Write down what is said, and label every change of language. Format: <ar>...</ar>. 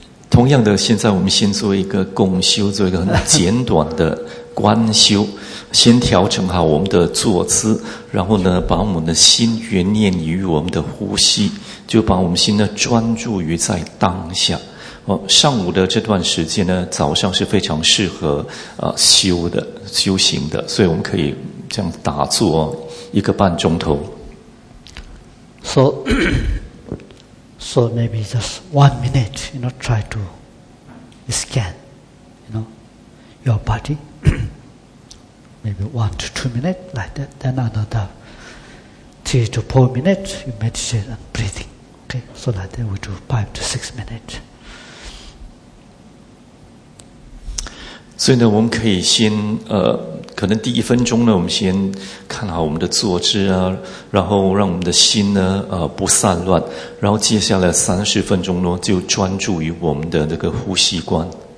<zh>同样的，现在我们先做一个共修，做一个很简短的观修，先调整好我们的坐姿，然后呢，把我们的心圆念于我们的呼吸，就把我们心呢专注于在当下。上午的这段时间呢，早上是非常适合修的修行的，所以我们可以这样打坐一个半钟头。</zh> <en>So maybe just 1 minute, you know, try to scan, you know, your body. Maybe 1 to 2 minutes like that. Then another 3 to 4 minutes, you meditate and breathing. Okay, so like that we do 5 to 6 minutes.</en> <zh>所以呢，我们可以先可能第一分钟呢，我们先看好我们的坐姿啊，然后让我们的心呢不散乱，然后接下来30分钟呢，就专注于我们的那个呼吸观。</zh>